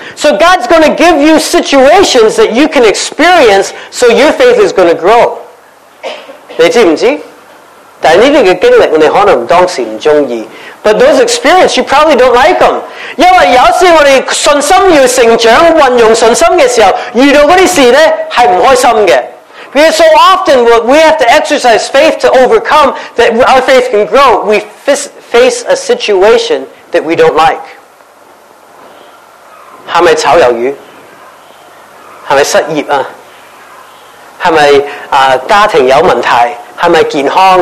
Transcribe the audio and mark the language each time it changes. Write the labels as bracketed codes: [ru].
[en] So God's going to give you situations that you can experience, so your faith is going to grow. [zh] 你知不知? 但这些经历你可能当时不喜欢。 [en] But those experiences, you probably don't like them. [zh] 因为有时我们信心要成长、运用信心的时候，遇到那些事呢，是不开心的。 [en] Because so often, what we have to exercise faith to overcome, that our faith can grow, we face a situation that we don't like. [zh] 是不是炒鱿鱼?是不是失业?是不是家庭有问题?是不是健康?